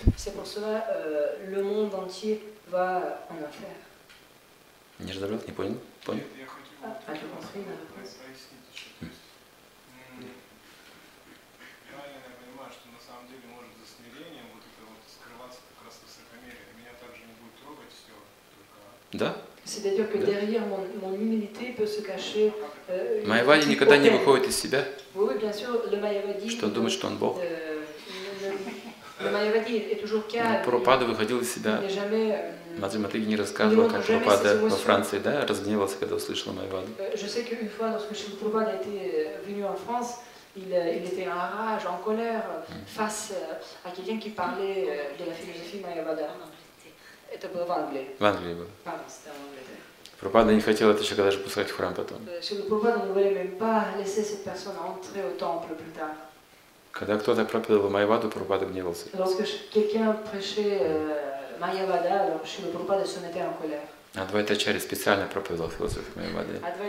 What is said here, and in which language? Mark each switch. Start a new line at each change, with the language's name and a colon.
Russian: Не разобрал, не понял? Понял? Я понимаю, что на самом деле может за смирением вот это вот скрываться как раз высокомерие. Меня также не будет трогать все. Да?
French: C'est-à-dire que derrière mon humilité peut se cacher.
Russian: Майявади никогда не выходит из себя.
French: Oui, bien sûr, le Майявади.
Russian: Что он думает, что он Бог?
French: Le Майявади est toujours calme.
Russian: Прабхупада выходил из себя.
French: Il n'est jamais.
Russian: Матриматриги не рассказывал, как Прабхупада во Франции, да, разгневался, когда услышал Майявади.
French: Je sais qu'une fois, lorsque Шрила Прабхупада était venu en France, il était en rage, en colère face à quelqu'un qui parlait de la philosophie Майявада.
Russian: Это было в Англии. В Англии было. Да, Англия. Прабхупада не хотел это человека даже пускать в храм потом. Шрила Прабхупада не хотел даже пускать эту персону
French: entrer au temple plus tard.
Russian: Когда кто-то проповедовал Майявада, Прабхупада гневался.
French: Lorsque quelqu'un prêchait Майявада, alors Шрила Прабхупада se mettait en colère.
Russian: Адвайта Ачарья специально проповедовал философию Майявады,